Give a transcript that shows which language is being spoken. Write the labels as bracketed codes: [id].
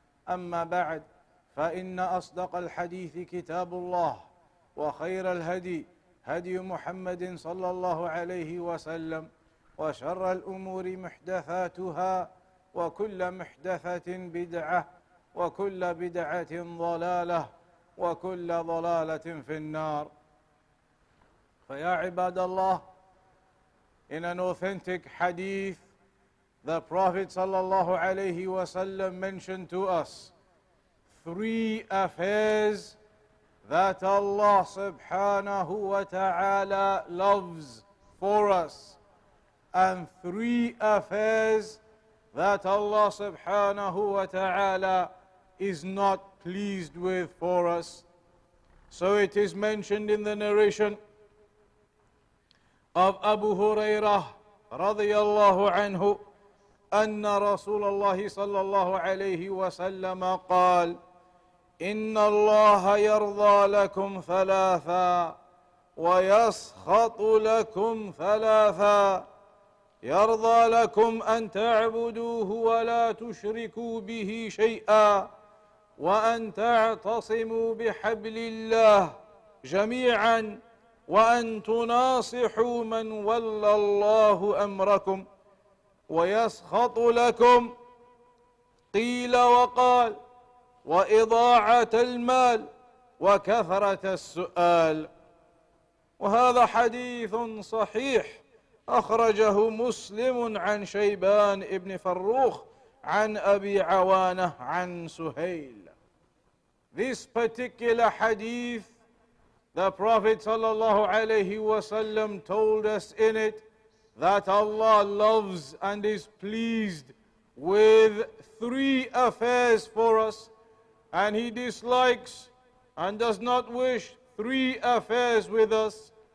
[ar] أما بعد، فإن أصدق الحديث كتاب الله، وخير الهدي هدي محمد صلى الله عليه وسلم، وشر الأمور محدثاتها، وكل محدثة بدعة، وكل بدعة ضلالة، وكل ضلالة في النار. فيا عباد الله، [en] in an authentic hadith, the Prophet صلى الله عليه وسلم mentioned to us three affairs that Allah subhanahu wa ta'ala loves for us, and three affairs that Allah subhanahu wa ta'ala is not pleased with for us. So it is mentioned in the narration of Abu Hurairah [ar] radiyallahu anhu, anna Rasulullah sallallahu alayhi wa sallam qal, إن الله يرضى لكم ثلاثا ويسخط لكم ثلاثا، يرضى لكم أن تعبدوه ولا تشركوا به شيئا، وأن تعتصموا بحبل الله جميعا، وأن تناصحوا من ولى الله أمركم. ويسخط لكم، قيل وقال، وإضاعة المال وكثرة السؤال. وهذا حديث صحيح، أخرجه مسلم عن شيبان ابن فروخ عن أبي عوانة عن سهيل. [en] This particular hadith, the Prophet صلى الله عليه وسلم told us in it that Allah loves and is pleased with three affairs for us, and he dislikes and does not wish three affairs with us.